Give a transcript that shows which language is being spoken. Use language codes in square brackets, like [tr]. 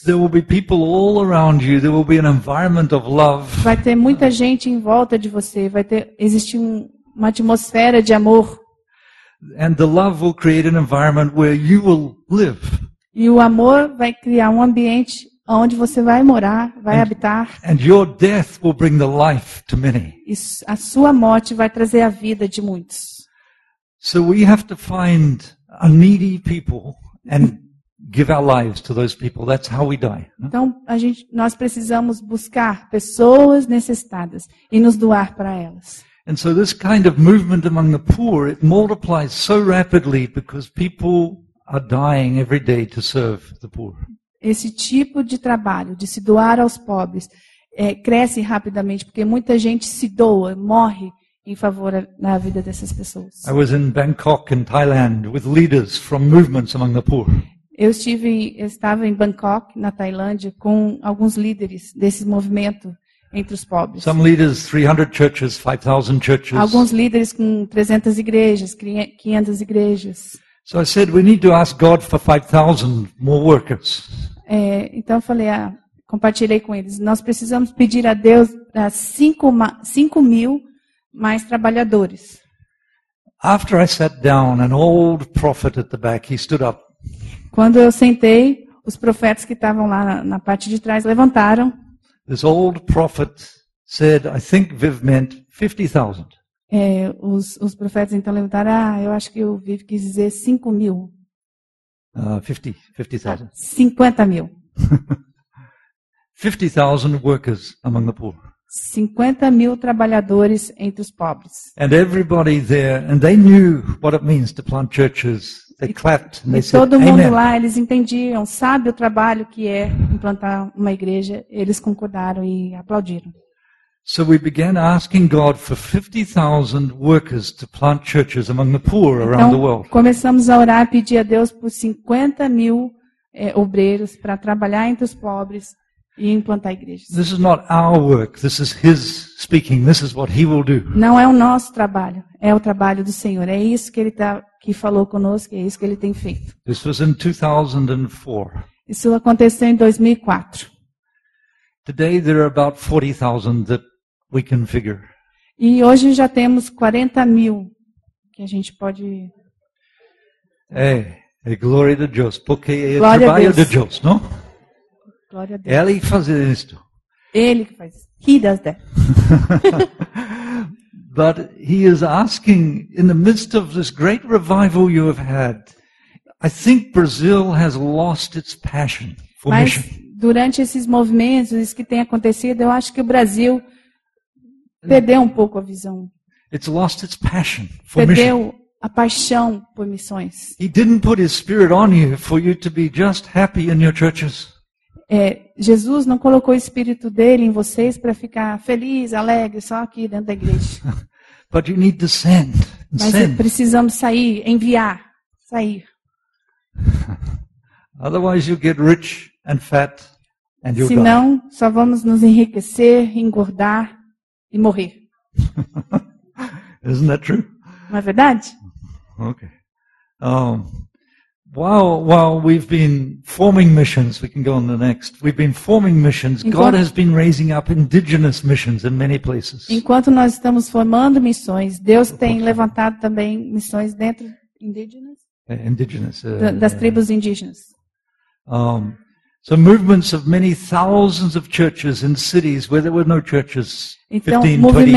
[en] There will be people all around you. There will be an environment of love. [pt] Vai ter muita gente em volta de você. Vai ter existir uma atmosfera de amor. [en] And the love will create an environment where you will live. [pt] E o amor vai criar um ambiente onde você vai morar, vai habitar. [en] And your death will bring the life to many. [pt] E a sua morte vai trazer a vida de muitos. [en] So we have to find a needy people and give our lives to those people. That's how we die. [pt] Então nós precisamos buscar pessoas necessitadas e nos doar para elas. [en] And so this kind of movement among the poor, it multiplies so rapidly because people are dying every day to serve the poor. [pt] Esse tipo de trabalho de se doar aos pobres cresce rapidamente porque muita gente se doa, morre em favor na vida dessas pessoas. [en] I was in Bangkok in Thailand with leaders from movements among the poor. [pt] Eu estava em Bangkok, na Tailândia, com alguns líderes desse movimento entre os pobres. [en] Some leaders, 300 churches, 5,000 churches. [pt] Alguns líderes com 300 igrejas, 500 igrejas. [en] So I said we need to ask God for 5,000 more workers. [pt] Então falei, compartilhei com eles, nós precisamos pedir a Deus 5,000 mais trabalhadores. [en] After I sat down, an old prophet at the back, he stood up. [pt] Quando eu sentei, os profetas que estavam lá na parte de trás levantaram. [en] This old prophet said, I think Viv meant 50,000. [pt] Os profetas então levantaram, eu acho que o Viv quis dizer 5,000. [en] 50,000. [pt] 50,000. [en] 50,000 workers among the poor. [pt] 50 mil trabalhadores entre os pobres. [en] And everybody there, and they knew what it means to plant churches. They clapped and they said, "Amen." [pt] Todo mundo lá, eles entendiam, sabe o trabalho que é implantar uma igreja, eles concordaram e aplaudiram. [en] So we began asking God for 50,000 workers to plant churches among the poor around the world. [pt] Então, começamos a orar e pedir a Deus por 50 mil obreiros para trabalhar entre os pobres e implantar igrejas. [en] This is not our work. This is His speaking. This is what He will do. [pt] Não é o nosso trabalho, é o trabalho do Senhor. É isso que Ele está que falou conosco, é isso que Ele tem feito. [en] This was in 2004. [pt] Isso aconteceu em 2004. [en] Today there are about 40,000 that we can figure. [pt] E hoje já temos 40 mil que a gente pode. É glória de Deus, porque é trabalho de Deus, não? Glória a Deus. Ele faz isto. Ele que faz. [en] He does that. But he is asking in the midst of this great revival you have had. I think Brazil has lost its passion for mission. [pt] Durante esses movimentos, isso que tem acontecido, eu acho que o Brasil perdeu um pouco a visão. [en] It's lost its passion for [pt] perdeu [en] mission. [pt] A paixão por missões. [en] He didn't put his spirit on you for you to be just happy in your churches. [pt] Jesus não colocou o espírito dele em vocês para ficar feliz, alegre só aqui dentro da igreja. [en] But you need to send. [pt] Mas precisamos sair, enviar, sair. [en] Otherwise you get rich. And fat, and you'll die. [pt] Senão, só vamos nos enriquecer, engordar e morrer. [en] Isn't that true? [pt] Não é verdade? [en] Okay. While we've been forming missions, we can go on the next. We've been forming missions. [pt] Enquanto, [en] God has been raising up indigenous missions in many places. [pt] Enquanto nós estamos formando missões, Deus tem levantado também missões dentro indígenas. [en] Indigenous. [pt] Das tribos indígenas. [en] So movements of many thousands of churches in cities where there were no churches 15, 20 years ago.